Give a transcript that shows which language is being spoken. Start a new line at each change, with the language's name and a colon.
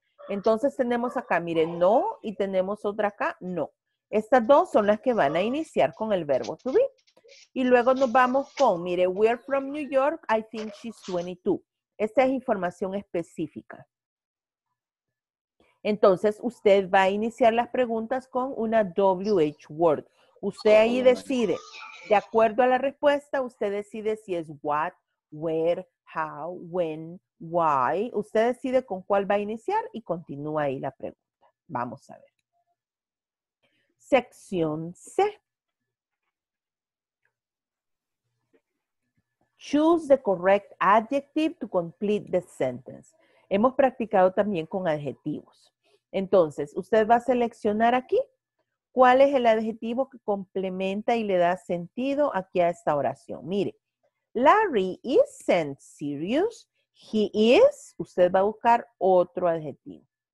Spanish: Entonces tenemos acá, mire, no, y tenemos otra acá, no. Estas dos son las que van a iniciar con el verbo to be. Y luego nos vamos con, mire,
English: we're from New York, I think she's 22.
Spanish: Esta es información específica. Entonces, usted va a iniciar las preguntas con una WH word. Usted ahí decide, de acuerdo a la respuesta, usted decide si es what, where, how, when, why. Usted decide con cuál va a iniciar y continúa ahí la pregunta. Vamos a ver. Sección C.
English: Choose the correct adjective to complete the sentence.
Spanish: Hemos practicado también con adjetivos. Entonces, usted va a seleccionar aquí cuál es el adjetivo que complementa y le da sentido aquí a esta oración.
English: Mire, Larry isn't serious. He is.
Spanish: Usted va a buscar otro adjetivo.